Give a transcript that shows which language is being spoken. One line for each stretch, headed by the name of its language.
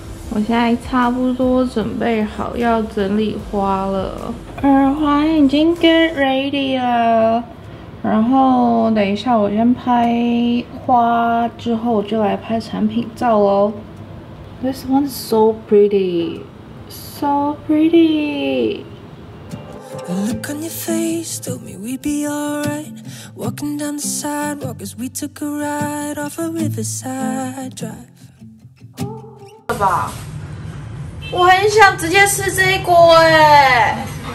Chinese: 我现在差不多准备好要整理花了，耳环已经
English: get ready
Chinese: 了。然后等一下，我先拍花，之后我就来拍产品照咯。
English: This one's so pretty, so pretty. Look on your face, told me we'd be alright. Walking down the sidewalk as we took a ride off a riverside drive.
Chinese: 吧，我很想直接吃这一锅哎。